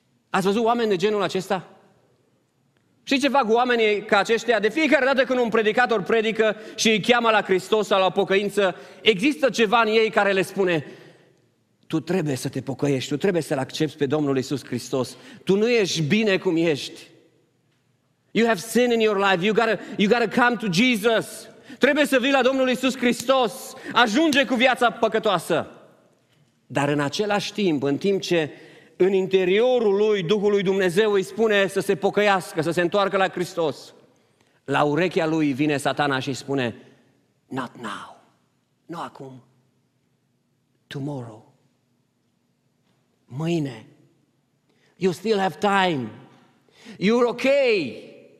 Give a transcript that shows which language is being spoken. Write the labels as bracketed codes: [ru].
[ro] Ați văzut oameni de genul acesta? Știi ce fac oamenii ca aceștia? De fiecare dată când un predicator predică și îi cheamă la Hristos sau la pocăință, există ceva în ei care le spune, tu trebuie să te pocăiești, tu trebuie să-L accepți pe Domnul Iisus Hristos, tu nu ești bine cum ești. [en] You have sin in your life, you gotta come to Jesus. [ro] Trebuie să vii la Domnul Iisus Hristos, ajunge cu viața păcătoasă. Dar în același timp, în timp ce în interiorul lui, Duhul lui Dumnezeu îi spune să se pocăiască, să se întoarcă la Hristos, la urechea lui vine Satana și îi spune, [en] not now, [ro] nu acum, [en] tomorrow, [ro] mâine, [en] you still have time, you're okay,